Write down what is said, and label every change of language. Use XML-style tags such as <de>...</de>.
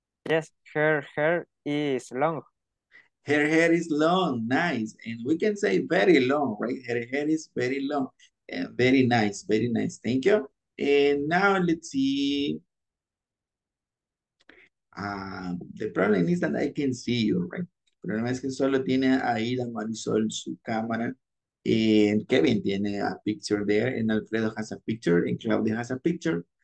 <en>Yes, her hair is long. Her hair is long. Nice. And we can say very long, right? Her hair is very long. Very nice. Very nice. Thank you. And now let's see. The problem is that I can see you, right?</en> <es>El problema es que solo tiene ahí la Marisol su cámara.</es> <en>And Kevin</en> <es>tiene</es> <en>a picture there, and Alfredo has a picture, and Claudia has a picture.</en>